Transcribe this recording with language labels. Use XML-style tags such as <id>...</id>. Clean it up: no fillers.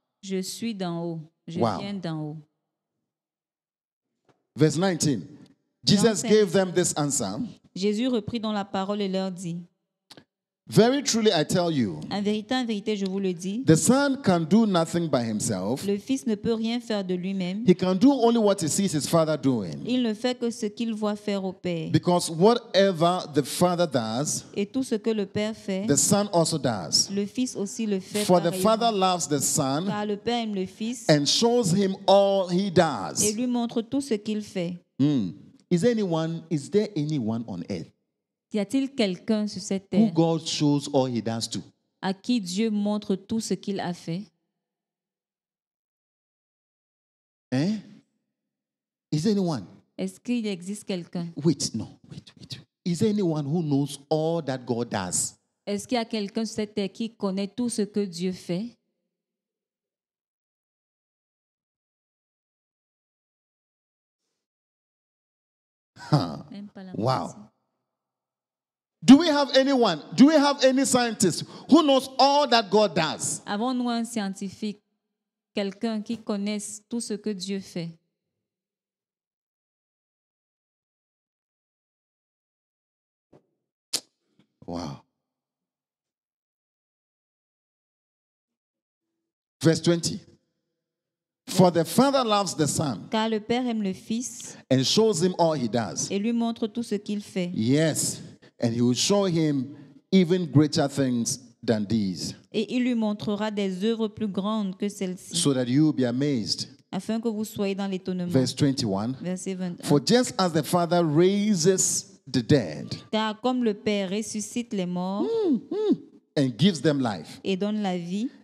<fr>Je suis d'en haut. Je viens d'en haut.</fr> <en>Verse 19. Jesus gave them this answer.</en> <fr>Jésus reprit donc la parole et leur dit.</fr> <en>Very truly I tell you.</en> <fr>En vérité, je vous le dis.</fr> <en>The son can do nothing by himself.</en> <fr>Le fils ne peut rien faire de lui-même.</fr> <en>He can do only what he sees his father doing.</en> <fr>Il ne fait que ce qu'il voit faire au père.</fr> <en>Because whatever the father does.</en> <fr>Et tout ce que le père fait.</fr> <en>The son also does.</en> <fr>Le fils aussi le fait.</fr> <en>For the father loves the son.</en> <fr>Car le père aime le fils.</fr> <en>And shows him all he does.</en> <fr>Et lui montre tout ce qu'il fait.</fr> <en>Is there anyone on earth?</en> <fr>Y a-t-il quelqu'un sur cette terre</fr> <en>who God shows all he does to?</en> <fr>À qui Dieu montre tout ce qu'il a fait?</fr> <en>Hein? Is there anyone?</en> <fr>Est-ce qu'il existe quelqu'un?</fr> <en>Wait. Is there anyone who knows all that God does?</en> <fr>Est-ce qu'il y a quelqu'un sur cette terre qui connaît tout ce que Dieu fait?</fr> <en>Wow. Do we have anyone? Do we have any scientist who knows all that God does?</en> <fr>Avons-nous un scientifique, quelqu'un qui connaisse tout ce que Dieu fait?</fr> <en>Wow. Verse 20. For the Father loves the Son.</en> <fr>Car le Père aime le Fils.</fr> <en>And shows him all he does.</en> <fr>Et lui montre tout ce qu'il fait.</fr> <en>Yes. And he will show him even greater things than these.</en> <fr>Et il lui montrera des œuvres plus grandes que celles-ci.</fr> <en>So that you will be amazed.</en> <fr>Afin que vous soyez dans l'étonnement.</fr> <en>Verse 21.</en> <fr>Verset 21.</fr> <en>For just as the Father raises the dead.</en> <fr>Car comme le Père ressuscite les morts</fr> <en>and gives them life.</en> <fr>Et donne la vie.</fr>